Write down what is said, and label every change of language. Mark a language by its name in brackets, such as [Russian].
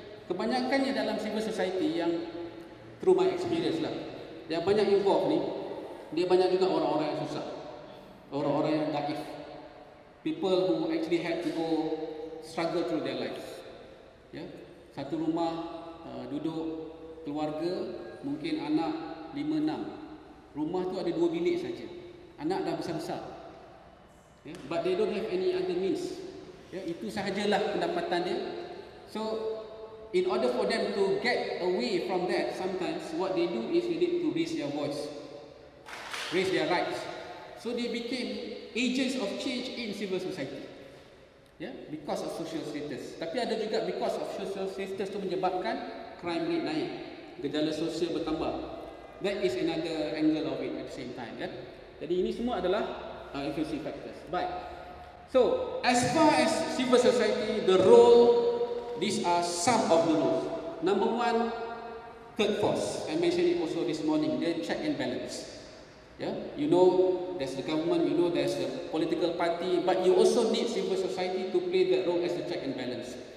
[Malay] Kebanyakannya dalam civil society yang [English] through my experience [Malay] lah, yang banyak involved ni, dia banyak juga orang-orang yang susah, orang-orang yang daif, [English] people who actually had to go struggle through their lives. [Malay] Yeah, satu rumah duduk keluarga mungkin anak 5-6, rumah tu ada 2 bilik saja, anak dah besar-besar. [English] Yeah, but they don't have any other means. Yeah, [Malay] itu sahajalah pendapatan dia. [English] So in order for them to get away from that, sometimes what they do is they need to raise their voice, raise their rights. So they became agents of change in civil society. Yeah, because of social status. [Malay] Tapi ada juga [English] because of social status [Malay] tu menyebabkan crime rate naik, gejala sosial bertambah. [English] That is another angle of it at the same time. Yeah? [Malay] Jadi ini semua adalah influencing factors. [English] But so as far as civil society, the role, these are some of the rules. Number one, third force. I mentioned it also this morning. The check and balance. Yeah, you know, there's the government. You know, there's the political party. But you also need civil society to play that role as the check and balance.